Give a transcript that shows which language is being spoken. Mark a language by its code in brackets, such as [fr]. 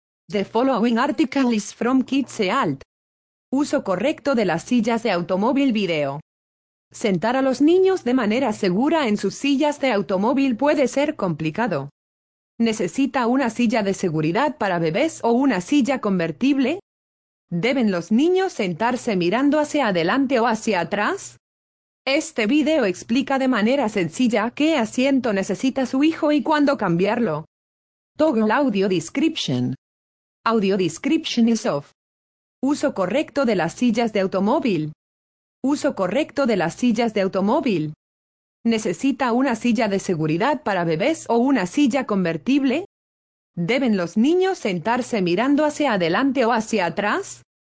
[en] The following article is from Kids Health. [es] Uso correcto de las sillas de automóvil video. Sentar a los niños de manera segura en sus sillas de automóvil puede ser complicado. ¿Necesita una silla de seguridad para bebés o una silla convertible? ¿Deben los niños sentarse mirando hacia adelante o hacia atrás? Este video explica de manera sencilla qué asiento necesita su hijo y cuándo cambiarlo. [en] Toggle audio description. Audio description is off. [es] Uso correcto de las sillas de automóvil. Uso correcto de las sillas de automóvil. ¿Necesita una silla de seguridad para bebés o una silla convertible? ¿Deben los niños sentarse mirando hacia adelante o hacia atrás?